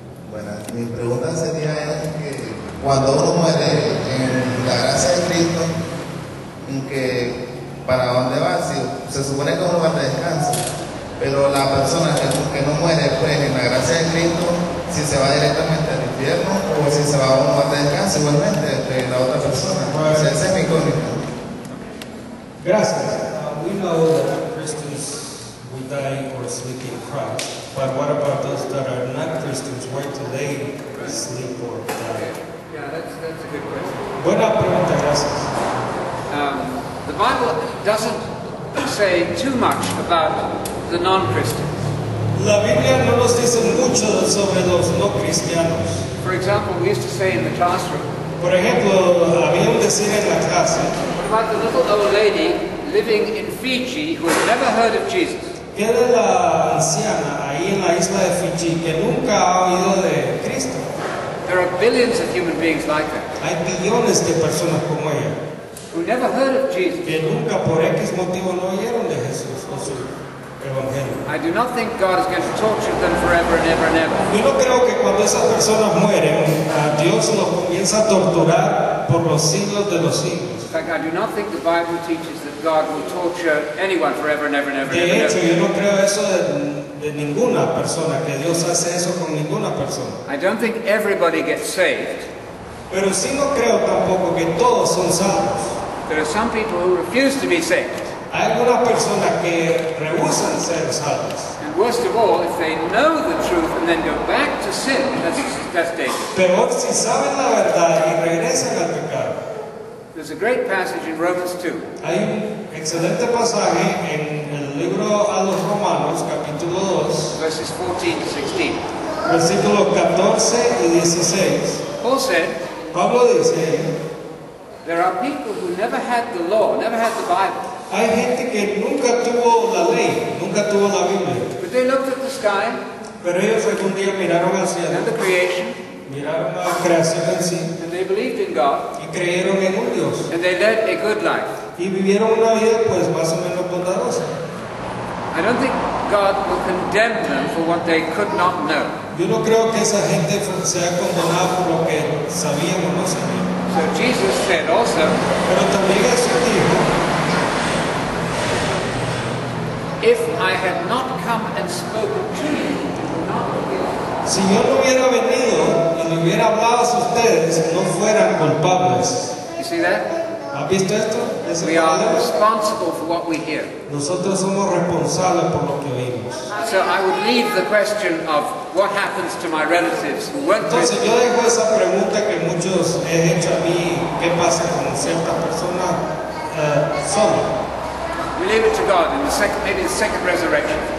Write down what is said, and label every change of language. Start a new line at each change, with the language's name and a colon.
Spanish: Bueno, mi pregunta sería es que cuando uno muere en la gracia de Cristo, que para dónde va, si se supone que uno va a descansar, pero la persona que no muere pues en la gracia de Cristo, si se va directamente al infierno o si se va a un lugar de descanso igualmente de la otra persona. Right. Ese es mi cómico. Okay. Gracias.
English: We know that Christians will die or sleep in Christ, but what about those that are not Christians? Why do they sleep or die? Okay. Yeah, that's a good question.
Spanish: Buena pregunta, gracias.
English: The Bible doesn't say too much about the non-Christians.
Spanish: La Biblia no nos dice mucho sobre los no cristianos.
English: For example, we used to say in the classroom.
Spanish: Por ejemplo, había un decir en la clase.
English: What about the little old lady living in Fiji who had never heard of Jesus?
Spanish: ¿Qué de la anciana ahí en la isla de Fiji que nunca ha oído de Cristo?
English: There are billions of human beings like that.
Spanish: Hay billones de personas como ella.
English: Who never heard of Jesus?
Spanish: Que nunca por X motivo no oyeron de Jesús. O sea,
English: I do not think God is going to torture them forever and ever and ever.
Spanish: Yo no creo que cuando esas personas mueren, Dios los comienza a torturar por los siglos de los siglos.
English: In fact, I do not think the Bible teaches that God will torture anyone forever and ever and ever.
Spanish: De hecho, yo no creo eso de ninguna persona, que Dios hace eso con ninguna persona.
English: I don't think everybody gets saved.
Spanish: Pero sí no creo tampoco que todos son salvos.
English: There are some people who refuse to be saved.
Spanish: Hay algunas personas que rehúsan ser salvos.
English: And worst of all, if they know the truth and then go back to sin, that's dangerous.
Spanish: Peor si saben la verdad y regresan al pecado.
English: There's a great passage in Romans 2.
Spanish: Hay un excelente pasaje en el libro a los Romanos, capítulo 2.
English: Verses 14 to 16.
Spanish: Versículos 14 y 16.
English: Paul said,
Spanish: Pablo dice,
English: there are people who never had the law, never had the Bible.
Spanish: Hay gente que nunca tuvo la ley, nunca tuvo la Biblia.
English: But they looked at the sky.
Spanish: Pero ellos algún día miraron al cielo.
English: And the creation.
Spanish: Miraron a la creación en sí.
English: And they believed in God.
Spanish: Y creyeron en un Dios.
English: And they led a good life.
Spanish: Y vivieron una vida pues más o menos bondadosa.
English: I don't think God will condemn them for what they could not know.
Spanish: Yo no creo que esa gente sea condenada por lo que sabían o no sabían.
English: So Jesus said also.
Spanish: Pero también Jesús dijo.
English: If I had not come and spoken to you, you would not be guilty.
Spanish: Si yo no hubiera venido y le hubiera hablado a ustedes, no fueran culpables.
English: You see that?
Spanish: ¿Has visto esto?
English: Es we are problema. Responsible for what we hear.
Spanish: Nosotros somos responsables por lo que oímos.
English: So I would leave the question of what happens to my relatives who weren't.
Spanish: Entonces yo dejo esa pregunta que muchos he hecho a mí, ¿qué pasa con cierta persona solo?
English: We leave it to God in the second, maybe the second resurrection.